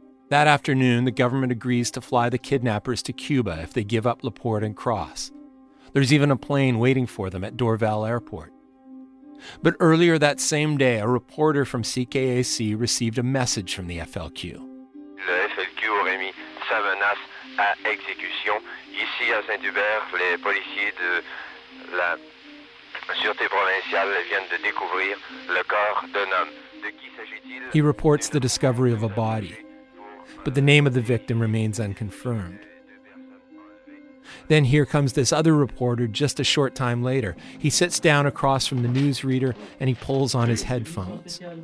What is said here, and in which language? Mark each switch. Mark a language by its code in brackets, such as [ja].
[en] That afternoon, the government agrees to fly the kidnappers to Cuba if they give up Laporte and Cross. There's even a plane waiting for them at Dorval Airport. But earlier that same day, a reporter from CKAC received a message from the FLQ. [fr] Le FLQ aurait mis sa menace à exécution. Ici à Saint-Hubert, les policiers de la Sûreté provinciale viennent de découvrir le corps d'un homme. De qui s'agit-il? [en] He reports the discovery of a body, but the name of the victim remains unconfirmed. Then here comes this other reporter just a short time later. He sits down across from the newsreader and he pulls on his headphones.